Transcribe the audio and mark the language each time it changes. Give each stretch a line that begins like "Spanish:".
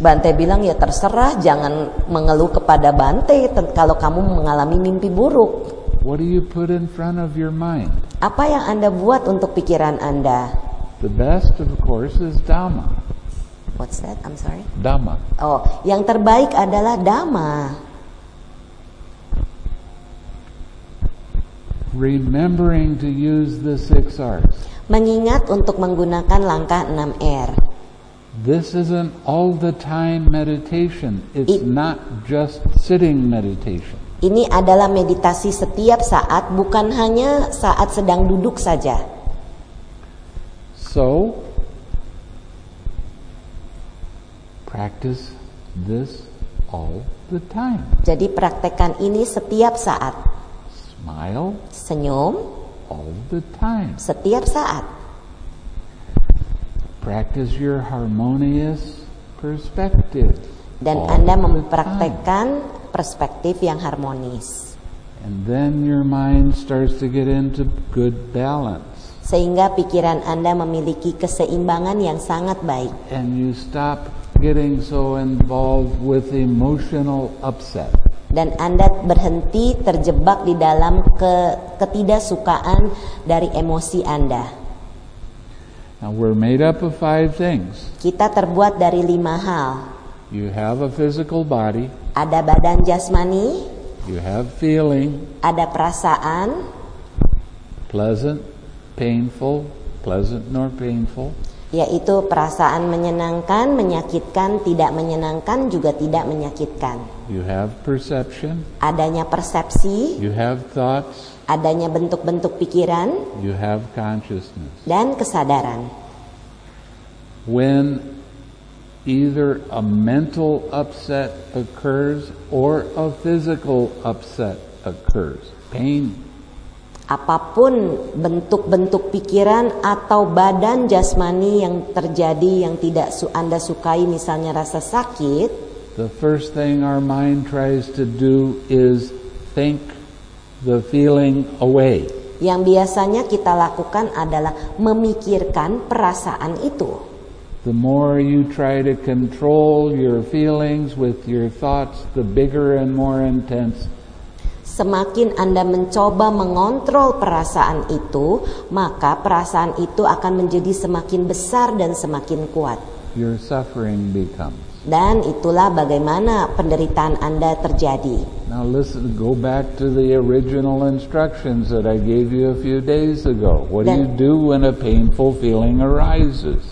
Indonesian: Bante bilang, "Ya terserah, jangan mengeluh kepada Bante kalau kamu mengalami mimpi buruk."
English: What do you put in front of your mind?
Indonesian: Apa yang Anda buat untuk pikiran Anda?
English: The best, of course, is Dhamma. What's that? I'm sorry. Dhamma.
Indonesian: Oh, yang terbaik adalah Dhamma.
English: Remembering to use the six R's.
Indonesian: Mengingat untuk menggunakan langkah 6 R.
English: This isn't all the time meditation. It's not just sitting meditation.
Indonesian: Ini adalah meditasi setiap saat, bukan hanya saat sedang duduk saja.
English: So, practice this all the time.
Indonesian: Jadi praktekkan ini setiap saat.
English: Smile.
Indonesian: Senyum.
English: All the time.
Indonesian: Setiap saat.
English: Practice your harmonious perspective.
Indonesian: Dan Anda mempraktekkan perspektif yang harmonis.
English: And then your mind starts to get into good balance.
Indonesian: Sehingga pikiran Anda memiliki keseimbangan yang sangat baik.
English: And you stop getting so involved with emotional upset.
Indonesian: Dan Anda berhenti terjebak di dalam ketidaksukaan dari emosi Anda.
English: Now we're made up of 5 things.
Indonesian: Kita terbuat dari 5 hal.
English: You have a physical body.
Indonesian: Ada badan jasmani.
English: You have feeling.
Indonesian: Ada perasaan.
English: Pleasant, painful, pleasant nor painful.
Indonesian: Yaitu perasaan menyenangkan, menyakitkan, tidak menyenangkan, juga tidak menyakitkan.
English: You have perception.
Indonesian: Adanya persepsi.
English: You have thoughts.
Indonesian: Adanya bentuk-bentuk pikiran.
English: You have consciousness.
Indonesian: Dan kesadaran.
English: When either a mental upset occurs or a physical upset occurs, pain.
Indonesian: Apapun bentuk-bentuk pikiran atau badan jasmani yang terjadi yang tidak Anda sukai, misalnya rasa sakit.
English: The first thing our mind tries to do is think the feeling away.
Indonesian: Yang biasanya kita lakukan adalah memikirkan perasaan itu.
English: The more you try to control your feelings with your thoughts, the bigger and more intense.
Indonesian: Semakin Anda mencoba mengontrol perasaan itu, maka perasaan itu akan menjadi semakin besar dan semakin kuat.
English: Your suffering becomes.
Indonesian: Dan itulah bagaimana penderitaan Anda terjadi.
English: Now listen, go back to the original instructions that I gave you a few days ago. What do you do when a painful feeling arises?